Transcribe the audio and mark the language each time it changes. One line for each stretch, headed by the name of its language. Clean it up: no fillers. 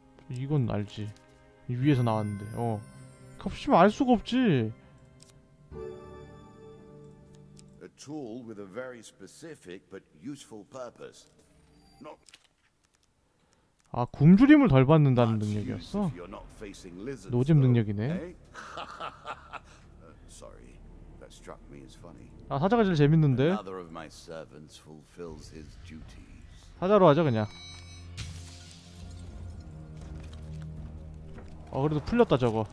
Korean: 이건 알지. 위에서 나왔는데 어 겹치면 알 수가 없지.
English: A tool with a very specific but useful purpose. No.
Korean: 아 굶주림을 덜 받는다는 능력이었어. 노잼 능력이네.
English: Sorry, that's struck me as funny.
Korean: 아, 사자가 제일 재밌는데.
English: Another of my servants fulfills his duties.
Korean: 사자로 하자 그냥. 아, 그래도 풀렸다 저거.